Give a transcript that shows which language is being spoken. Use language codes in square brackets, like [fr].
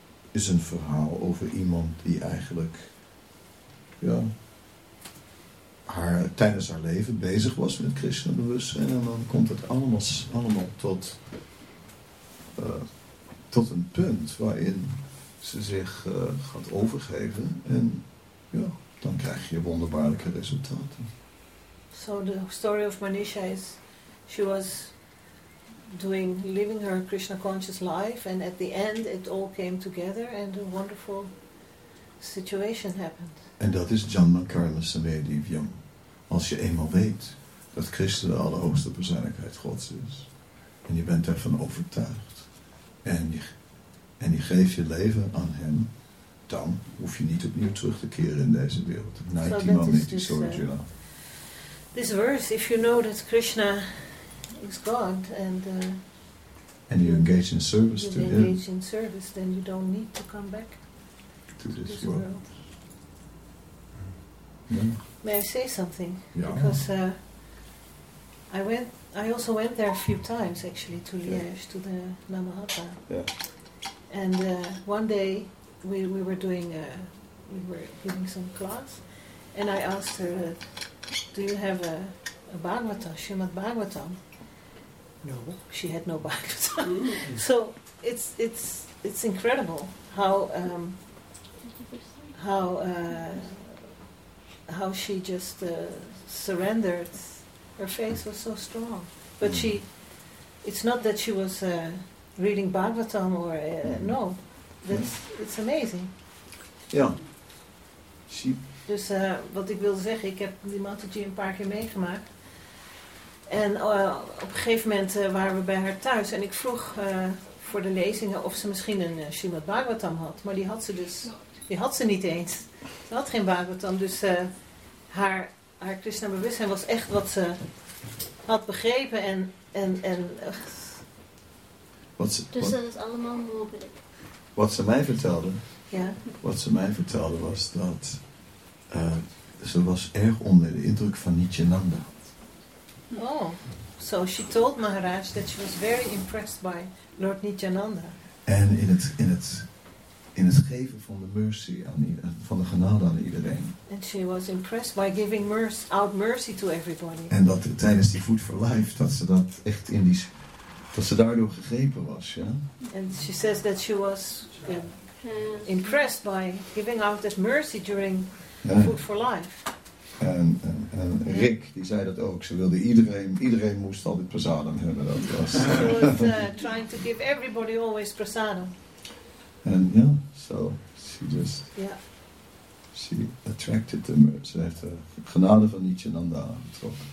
[nl] is een verhaal over iemand die eigenlijk... Ja, tijdens haar leven bezig was met Krishna bewustzijn en dan komt het allemaal tot een punt waarin ze zich gaat overgeven en ja, dan krijg je wonderbaarlijke resultaten. [en] So the story of Manisha is she was living her Krishna conscious life and at the end it all came together and a wonderful situation happened. [nl] En dat is Janma Karma Samedivyam. Als je eenmaal weet dat Christus de allerhoogste persoonlijkheid Gods is. En je bent ervan overtuigd. En je geeft je leven aan hem. Dan hoef je niet opnieuw terug te keren in deze wereld. [en] This verse, if you know that Krishna is God. And you engage in service to him. Engage in service, then you don't need to come back to this world. Yeah. May I say something? Yeah. Because I also went there a few times actually to Liège, to the Namahata. Yeah. And one day we were giving some class and I asked her, do you have a Bhagavatam, Srimad Bhagavatam? No. She had no Bhagavatam. Mm-hmm. So it's incredible how she just surrendered. Her face was so strong. But it's not that she was reading Bhagavatam or... no, it's amazing. Ja. She... [nl] Dus wat ik wilde zeggen, ik heb die Mataji een paar keer meegemaakt. En op een gegeven moment waren we bij haar thuis. En ik vroeg voor de lezingen of ze misschien een Srimad Bhagavatam had. Maar die had ze dus... Die had ze niet eens. Ze had geen Bhagavatam, dus... Haar Krishna bewustzijn was echt wat ze had begrepen en wat ze, dus dat is allemaal mogelijk. Wat ze mij vertelde. Ja. Wat ze mij vertelde was dat ze was erg onder de indruk van Nityananda. [en] Oh, so she told Maharaj that she was very impressed by Lord Nityananda. [nl] En in het geven van de mercy van de genade aan iedereen. [en] And she was impressed by giving mercy out to everybody. [nl] En dat tijdens die Food for Life dat ze dat echt in die Dat ze daardoor gegrepen was, ja. [en] And she says that she was impressed by giving out this mercy during Food for Life. [nl] En Rick, die zei dat ook. Ze wilde iedereen moest altijd prasadam hebben. Dat was. [en] She was trying to give everybody always prasadam. [nl] En ja, [en] so she just. She attracted the mercy. [nl] Ze heeft de genade van Nityananda aangetrokken.